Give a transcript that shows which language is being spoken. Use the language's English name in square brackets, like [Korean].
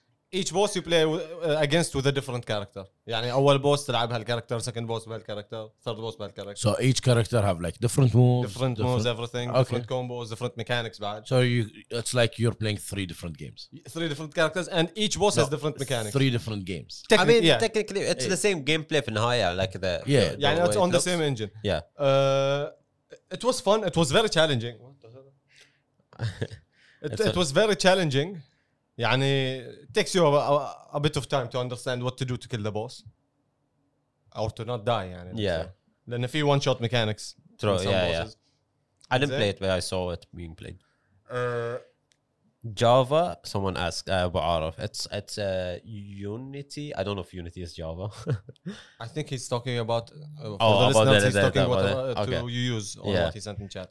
[English] each boss you play against with a different character. [Arabic] يعني أول boss تلعب هالكاركتر, second boss بهالكاركتر, third boss بهالكاركتر. [English] So each character have like different moves. Different moves, everything. Okay. Different combos, different mechanics بعد. So you, it's like you're playing three different games. Three different characters and each boss has different mechanics. Three different games. Technically, it's the same gameplay [Arabic] في النهاية, [English] like the يعني it's on the same engine. Yeah. It was fun. It was very challenging. It was very challenging. يعني takes you a bit of time to understand what to do to kill the boss or to not die. [Arabic] يعني لأن في [English] one shot mechanics. True. Yeah, bosses. Yeah. I didn't play it, but I saw it being played. Java. Someone asked about Arif. It's Unity. I don't know if Unity is Java. I think he's talking about. He's talking about what you use. What he sent in chat.